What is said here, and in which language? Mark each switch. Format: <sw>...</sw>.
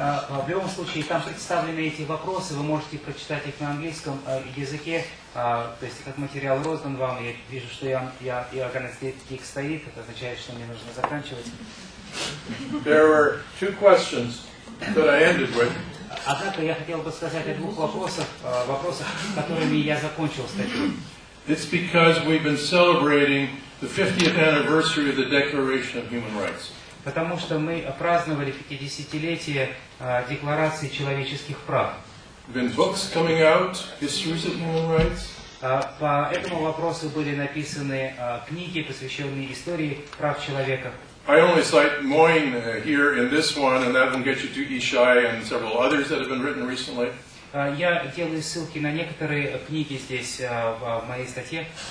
<ru>В любом случае, там представлены эти вопросы, вы можете прочитать их на английском языке, то есть этот материал роздан вам, я вижу, что Johannes Dick стоит, это означает, что мне нужно заканчивать.</ru> <en>There were two questions that I ended with.</en> <ru>Однако я хотел бы сказать о двух вопросах, которыми я закончил статью.</ru> <en>It's because we've been celebrating the 50th anniversary of the Declaration of Human Rights.</en> <ru>Потому что мы праздновали 50-летие Декларации человеческих прав.</ru> <en>When books coming out, histories of human rights.</en> <ru>По этому вопросу были написаны книги, посвященные истории прав человека.</ru> <en>I only cite Moyne here in this one, and that will get you to Ishai and several others that have been written recently.</en> <ru>Я делаю ссылки на некоторые книги здесь в моей статье.</ru>